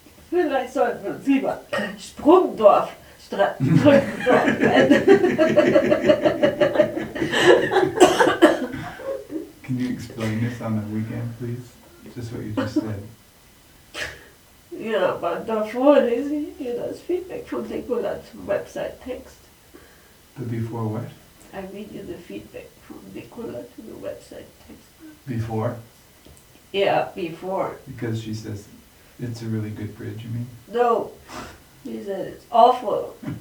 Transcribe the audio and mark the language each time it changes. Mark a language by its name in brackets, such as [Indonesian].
[German] Vielleicht sollten wir uns lieber Sprungdorf statt Brückendorf nennen. [English] Can you explain this on the weekend, please? Just what you just said. [German] Ja, aber davor lese ich dir das Feedback von Nicola zum Website-Text. [English] But before what? I read you the feedback from Nicola to the Website-Text. Before? Yeah, before. Because she says it's a really good bridge, you mean? No, she said it's awful.